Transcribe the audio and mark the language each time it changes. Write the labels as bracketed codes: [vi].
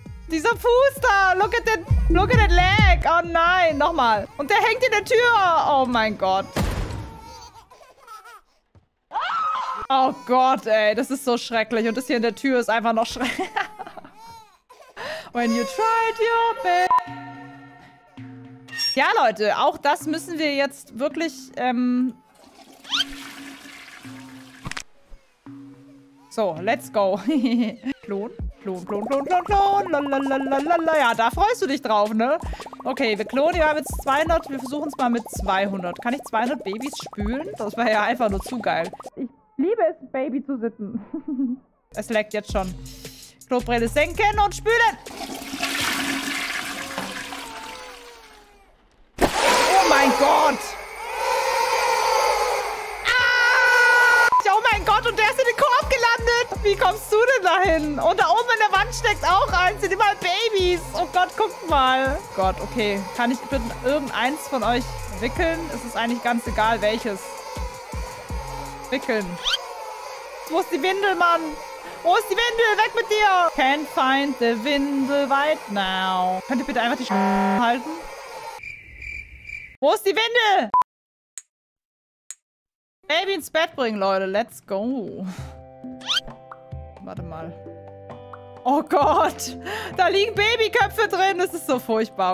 [de] Dieser Fuß da. [en] Look at that leg. [de] Oh nein, nochmal. Und der hängt in der Tür. Oh mein Gott. Oh Gott, ey, das ist so schrecklich. Und das hier in der Tür ist einfach noch schrecklich. [en] When you tried your best. [de] Ja, Leute, auch das müssen wir jetzt wirklich, [en] So, let's go. [de] Klon, klon, klon, klon, klon, klon. Lalalala. Ja, da freust du dich drauf, ne? Okay, wir klonen. Wir haben jetzt 200. Wir versuchen es mal mit 200. Kann ich 200 Babys spülen? Das wäre ja einfach nur zu geil. Liebe es, Baby zu sitzen. Es leckt jetzt schon. Klobrille senken und spülen. Oh mein Gott. Ah! Oh mein Gott, und der ist in den Korb gelandet. Wie kommst du denn dahin? Und da oben in der Wand steckt auch eins. Sind immer Babys. Oh Gott, guck mal. Gott, okay. Kann ich bitte irgendeins von euch wickeln? Es ist eigentlich ganz egal, welches. Wickeln. Wo ist die Windel, Mann? Wo ist die Windel? Weg mit dir! [en] Can't find the Windel right now. [de] Könnt ihr bitte einfach die halten? Wo ist die Windel? Baby ins Bett bringen, Leute. [en] Let's go. [de] Warte mal. Oh Gott! Da liegen Babyköpfe drin. Das ist so furchtbar.